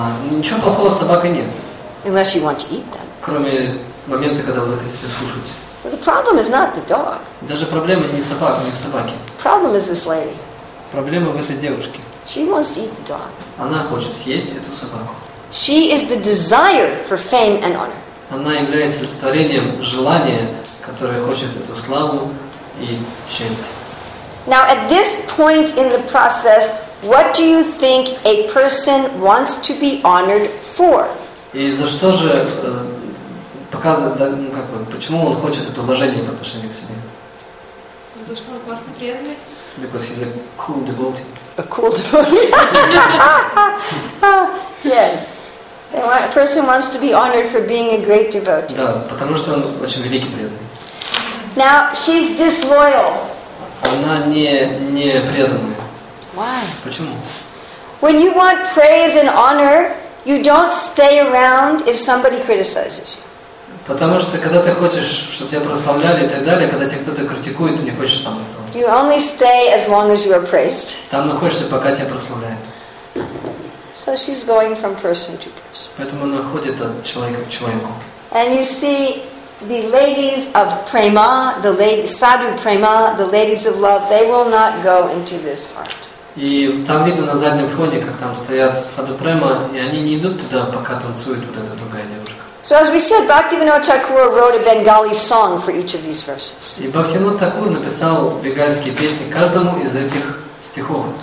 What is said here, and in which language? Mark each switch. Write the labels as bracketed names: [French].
[Russian] Ничего плохого с собакой нет. [English] Unless you want to eat them. [Russian] Кроме момента, когда вы захотите скушать. [English] But the problem is not the dog. [Russian] Даже проблема не собака, не в собаке. [English] Problem is this lady. [Russian] Проблема в этой девушке. [English] She wants to eat the dog. [Russian] Она хочет съесть эту собаку. [English] She is the desire for fame and honor. [Russian] Она является олицетворением желания, которое хочет эту славу и честь. [English] Now at this point in the process, what do you think a person wants to be honored for? [Russian] И за что же показывает, да, ну, как бы, почему он хочет это уважение по отношению к себе? За то, что он классно преданный. [English] Because he's a cool devotee. A cool devotee. Yes. A person wants to be honored for being a great devotee. [Russian] Да, потому что он очень великий преданный. [English] Now she's disloyal. [Russian] Она не преданная. [English] Why? [Russian] Почему? [English] When you want praise and honor, you don't stay around if somebody criticizes you. [Russian] Потому что когда ты хочешь, чтобы тебя прославляли и так далее, когда тебя кто-то критикует, ты не хочешь там оставаться. [English] You only stay as long as you are praised. [Russian] Там находишься, пока тебя прославляют. [English] So she's going from person to person. [Russian] Поэтому она ходит от человека к человеку. [English] And you see the ladies of prema, the ladies sadhu prema, the ladies of love, they will not go into this heart. [Russian] И там видно на заднем фоне, как там стоят саду према, и они не идут туда, пока танцует вот эта другая девушка. [English] So as we said, Bhaktivinoda Thakur wrote a Bengali song for each of these verses. [Russian] И Бхактивинода Такур написал бенгальские песни каждому из этих стихов.